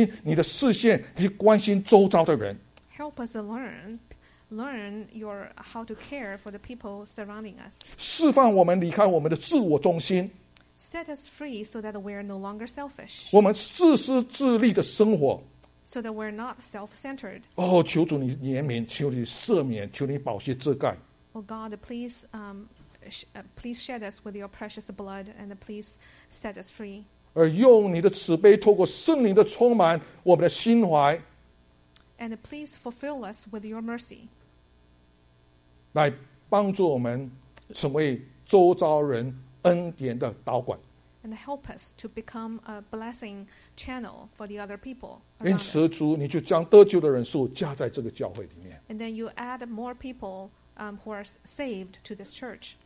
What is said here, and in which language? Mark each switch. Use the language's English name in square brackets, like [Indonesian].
[Chinese] 感动我们学习你的关心，你的视线去关心周遭的人。 [English] Help us learn your how to care for the people surrounding us. [Chinese] 释放我们离开我们的自我中心。 [English] Set us free so that we are no longer selfish. [Chinese] 我们自私自利的生活, [English] so that we are not self-centered. [Chinese] Oh, 求主你怜悯，求你赦免，求你宝血遮盖。 [English] Oh God, please, please shed us with your precious blood and please set us free. [Chinese] 而用你的慈悲，透过圣灵的充满我们的心怀。 [English] And please fulfill us with your mercy. [Chinese] 来帮助我们。成为周遭人恩典的导管。 [English] And help us to become a blessing channel for the other people. [Chinese] 因此主，你就将得救的人数加在这个教会里面。 [English] And then you add more people who are saved to this church.